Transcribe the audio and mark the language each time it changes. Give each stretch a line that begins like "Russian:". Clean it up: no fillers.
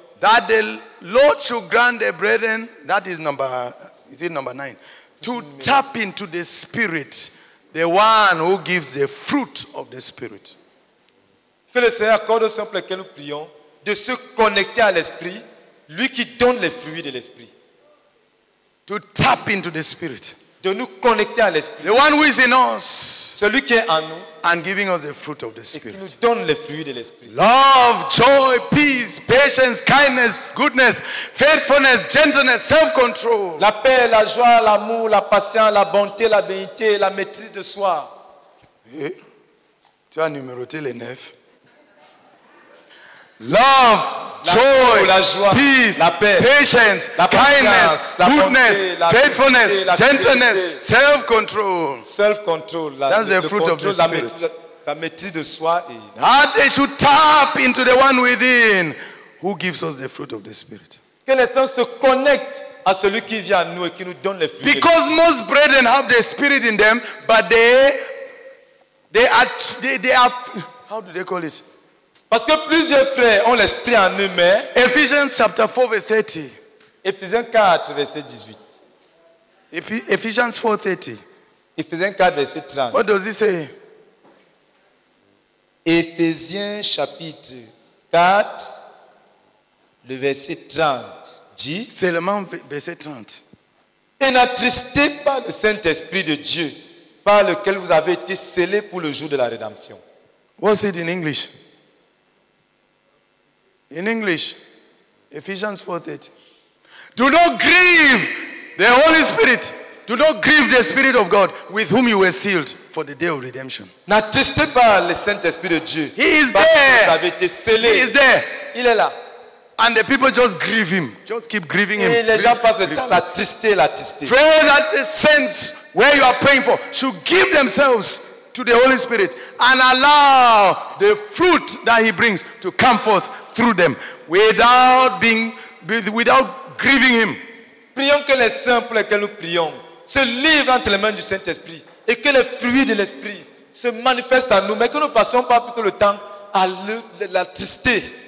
English: That the Lord should grant the brethren, that is it number nine, to tap into the Spirit, the one who gives the fruit of the Spirit.
French: Que le Seigneur accorde au sein pour lequel nous prions de se connecter à l'Esprit, lui qui donne les fruits de l'Esprit.
English: To tap into the Spirit.
French: De nous connecter à l'Esprit.
English: The one who is in us.
French: Celui qui est en nous.
English: And giving us the fruit of the Spirit.
French: Et qui nous donne les fruits de l'Esprit.
English: Love, joy, peace, patience, kindness, goodness, faithfulness, gentleness, self-control.
French: La paix, la joie, l'amour, la patience, la bonté, la bénité, la maîtrise de soi. Tu as numéroté les neuf.
English: Love, joy,
French: la joie,
English: peace,
French: la paix,
English: patience,
French: la
English: kindness,
French: la
English: goodness,
French: la
English: faithfulness,
French: la
English: gentleness, self-control. Self-control. That's the fruit of the Spirit.
French: La maîtrise de soi.
English: That they should tap into the one within who gives us the fruit of the Spirit.
French: Que les saints se connectent à celui qui vient à nous et qui nous donne les fruits.
English: Because most brethren have the Spirit in them, but they are, how do they call it?
French: Parce que plusieurs frères ont l'esprit en eux, mais Ephésiens chapitre 4 verset 30. Ephésiens 4 verset 18. Ephésiens 4 verset 30. Ephésiens 4 verset 30.
English: What does it say?
French: Ephésiens chapitre 4 le verset 30 dit seulement verset 30. Et n'attristez pas le Saint-Esprit de Dieu par lequel vous avez été scellés pour le jour de la rédemption.
English: What's it in English? In English, Ephesians 4:30. Do not grieve the Holy Spirit. Do not grieve the Spirit of God with whom you were sealed for the day of redemption.
French: N'attristez pas le Saint-Esprit de Dieu.
English: He is there.
French: Vous avez été scellé.
English: He is there.
French: Il est là.
English: And the people just grieve him. Just keep grieving him.
French: Et les gens passent le temps la tristesse, la tristesse.
English: Pray that the saints where you are praying for should give themselves to the Holy Spirit and allow the fruit that he brings to come forth through them without being without grieving him.
French: Prions que les saints pour lesquels nous prions se livrent entre les mains du Saint-Esprit et que les fruits de l'Esprit se manifestent en nous, mais que nous ne passions pas plutôt le temps à la tristesse.